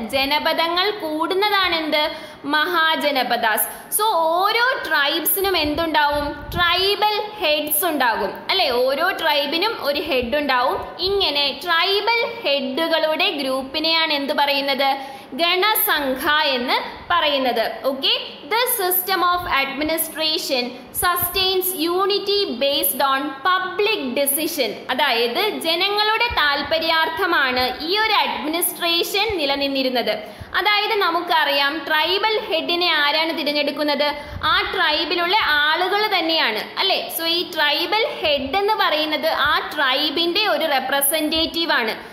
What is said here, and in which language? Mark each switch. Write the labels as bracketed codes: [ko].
[ml] ജനപദങ്ങൾ കൂടുന്നതാണ് എന്ത്? മഹാജനപദാസ്. സോ ഓരോ ട്രൈബ്സിനും എന്തുണ്ടാവും? ട്രൈബൽ ഹെഡ്സ് ഉണ്ടാകും അല്ലേ. ഓരോ ട്രൈബിനും ഒരു ഹെഡ് ഉണ്ടാവും. ഇങ്ങനെ ട്രൈബൽ ഹെഡുകളുടെ ഗ്രൂപ്പിനെയാണ് എന്ത് പറയുന്നത്? ഗണസംഘ എന്ന് പറയുന്നത്. Okay, [en] This system of administration sustains unity based on public decision. [ml] അതായത് ജനങ്ങളുടെ താൽപര്യാർത്ഥമാണ് ഈ ഒരു അഡ്മിനിസ്ട്രേഷൻ നിലനിന്നിരുന്നത്. അതായത് നമുക്കറിയാം ട്രൈബൽ ഹെഡിനെ ആരാണ് തിരഞ്ഞെടുക്കുന്നത്? ആ ട്രൈബിലുള്ള ആളുകൾ തന്നെയാണ് അല്ലേ. സോ ഈ ട്രൈബൽ ഹെഡ് എന്ന് പറയുന്നത് ആ ട്രൈബിൻ്റെ ഒരു റെപ്രസെൻറ്റേറ്റീവ് ആണ്.